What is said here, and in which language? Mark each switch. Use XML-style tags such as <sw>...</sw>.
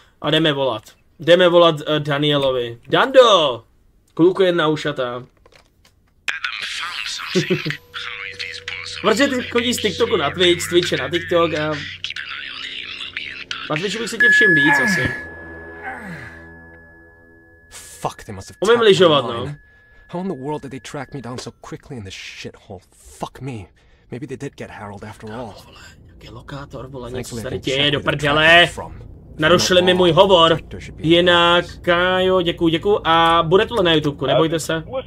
<cs>A jdeme volat Danielovi. Dando, kluku jen na ušata. Protože ty chodíš z TikToku na Twitch, z Twitche na TikTok a... Na Twitchu bych se tě všim víc asi.</cs> <en>Fuck, they must have</en> <cs>umím ližovat, no.</cs> <en>How in the world did they track me down so quickly in this shithole? Fuck me. Maybe they did get Harold after all.</en> <cs>Nějaký lokátor, vole, něco tady děje do prdele. Narušili mi můj hovor. Jinak, Kájo, děkuju. A bude tohle na YouTube, nebojte se.</cs>